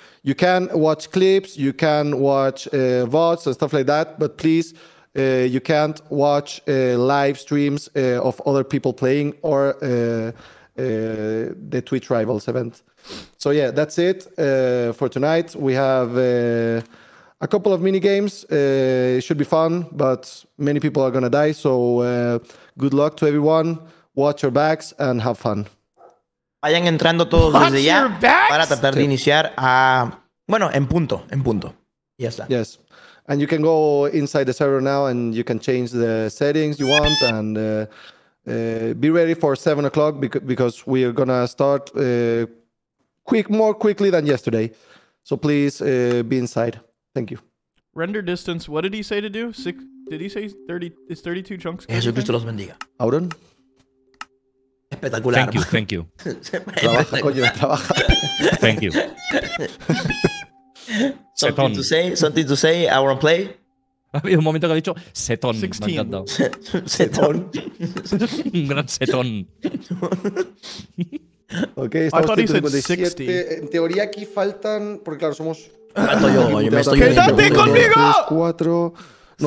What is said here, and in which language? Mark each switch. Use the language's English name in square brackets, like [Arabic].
[English] You can watch clips, you can watch VODs and stuff like that, but please, you can't watch live streams of other people playing or the Twitch Rivals event. So yeah, that's it for tonight. We have a couple of mini games. It should be fun, but many people are going to die. So good luck to everyone. Watch your backs and have fun. [Spanish] Vayan entrando todos desde ya para tratar de iniciar a... Bueno, en punto. Ya está. [English] Yes. And you can go inside the server now and you can change the settings you want and be ready for 7 o'clock because we are going to start more quickly than yesterday. So please be inside. Thank you. Render distance. What did he say to do? Did he say 30? Is 32 chunks? [Spanish] Jesucristo los bendiga. Auron? Espectacular. [English] Thank you, thank you. [Spanish] Trabaja, coño, trabaja. [English] Thank you. Something to say, something to say, our play. [Spanish] Ha habido un momento que ha dicho setón. Me ha encantado. Setón. Un gran setón. Ok, estamos 157. En teoría aquí faltan, porque claro, somos... Falto yo, me estoy viendo. ¡Quédate conmigo! Tres, cuatro... No,